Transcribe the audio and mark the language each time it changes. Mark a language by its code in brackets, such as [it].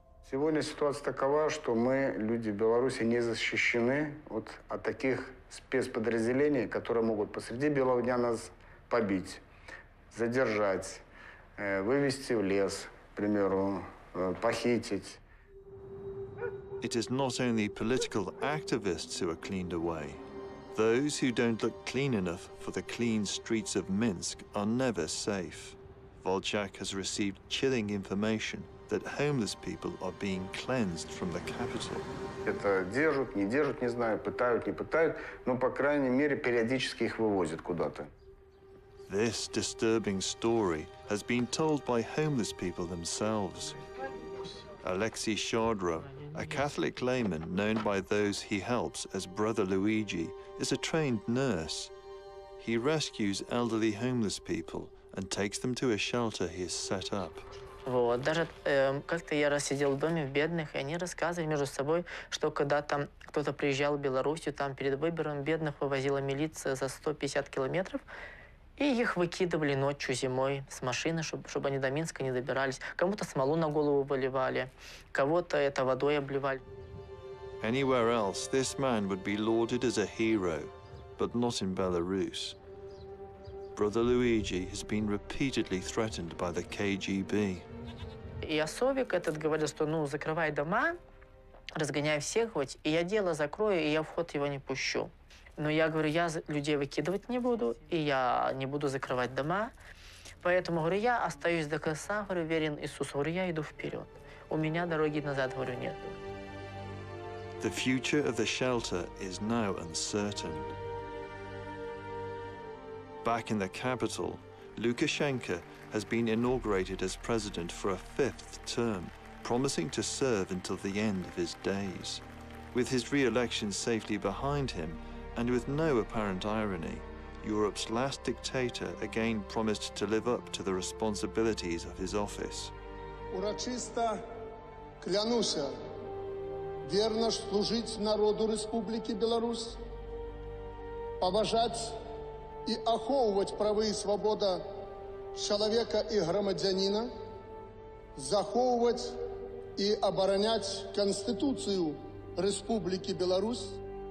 [ru] Сегодня ситуация такова, что мы, люди Беларуси, не защищены вот от таких спецподразделений, которые могут посреди белого дня нас побить, задержать, вывести в лес, к примеру, похитить. [en] It is not only political activists who are cleaned away. Those who don't look clean enough for the clean streets of Minsk are never safe. Volchak has received chilling information that homeless people are being cleansed from the capital. [ru] Это держат, не держат, не знаю, пытают, не пытают, но по крайней мере периодически их вывозят куда-то. [en] This disturbing story has been told by homeless people themselves. Alexei Shardra, a Catholic layman known by those he helps as Brother Luigi, is a trained nurse. He rescues elderly homeless people and takes them to a shelter he has set up. [ru] Вот. Даже как-то я раз сидел в доме в бедных, и они рассказывали между собой, что когда там кто-то приезжал в Белоруссию, там перед выбором бедных вывозила милиция за 150 километров, и их выкидывали ночью, зимой с машины, чтобы они до Минска не добирались. Кому-то смолу на голову выливали, кого-то это водой обливали. [en] Anywhere else, this man would be lauded as a hero, but not in Belarus. Brother Luigi has been repeatedly threatened by the KGB. [ru] И Осовик этот говорил, что, ну, закрывай дома, разгоняй всех, вот, и я дело закрою, и я вход его не пущу. Но я говорю, я людей выкидывать не буду, и я не буду закрывать дома. Поэтому, говорю, я остаюсь до конца, говорю, верен Иисусу, говорю, я иду вперед. У меня дороги назад, говорю, нет. [en] The future of the shelter is now uncertain. Back in the capital, Lukashenko has been inaugurated as president for a fifth term, promising to serve until the end of his days. With his re-election safely behind him, and with no apparent irony, Europe's last dictator again promised to live up to the responsibilities of his office. [be] Урочисто клянуся верно служить народу Республики Беларусь, поважать и оховывать права и свобода человека и громадянина, заховывать и оборонять Конституцию Республики Беларусь,